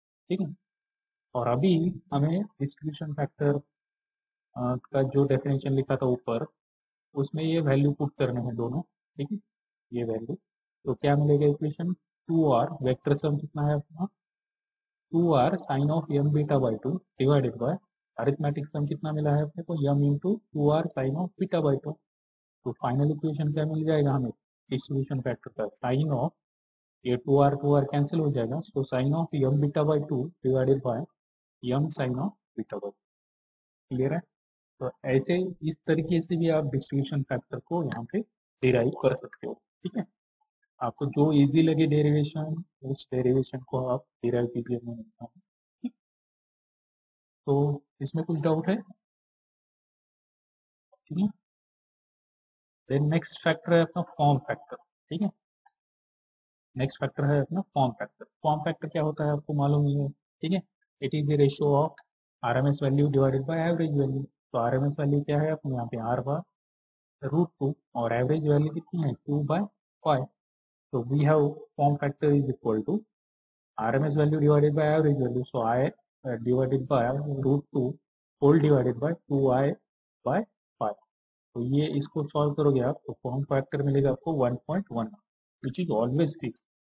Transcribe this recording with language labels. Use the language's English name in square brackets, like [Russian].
[Hindi] ठीक है, और अभी हमें डिस्ट्रीब्यूशन फैक्टर का जो डेफिनेशन लिखा था ऊपर उसमें ये वैल्यू पुट करने हैं दोनों. ठीक है, ये वैल्यू तो क्या मिलेगा equation, to are vector sum कितना है अपना 2r sin of m beta by 2 divided by arithmetic sum कितना मिला है अपने को m into 2r sin of beta by 2. तो final equation क्या मिल जाएगा हमें distribution factor का sin of ये 2r 2r cancel हो जाएगा, so sin of m beta by 2 divided by m sin of beta by 2. clear है, तो ऐसे इस तरीके से भी आप distribution factor को यहाँ पे derive कर सकते हो. ठीक है, आपको जो इजी लगे डेरिवेशन उस डेरिवेशन को आप डिराइव कीजिए. तो इसमें कुछ डाउट है, ठीक है, देन नेक्स्ट फैक्टर है अपना फॉर्म फैक्टर. ठीक है, नेक्स्ट फैक्टर है अपना फॉर्म फैक्टर. फॉर्म फैक्टर क्या होता है आपको मालूम ही है. ठीक है, [English] It is the ratio of RMS value divided by average value. [Hindi] तो आरएमएस वैल्यू क्या है अपने यहाँ पे आर बाय रूट टू और एवरेज वैल्यू कितनी है to by five. [English] So we have form factor is equal to RMS value divided by average value. So I divided by root 2 whole divided by 2i by 5. [Hindi] So ye isko solve karoge aap to form factor milega aapko 1.1 [English] which is always fixed.